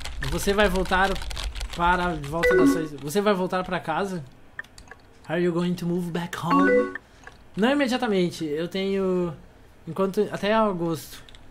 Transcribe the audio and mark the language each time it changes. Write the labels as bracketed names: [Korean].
[Portuguese] Você vai voltar para a volta da sua... Você vai voltar para casa? [English] Are you going to move back home? [Portuguese] Não imediatamente, eu tenho... Enquanto... Até agosto.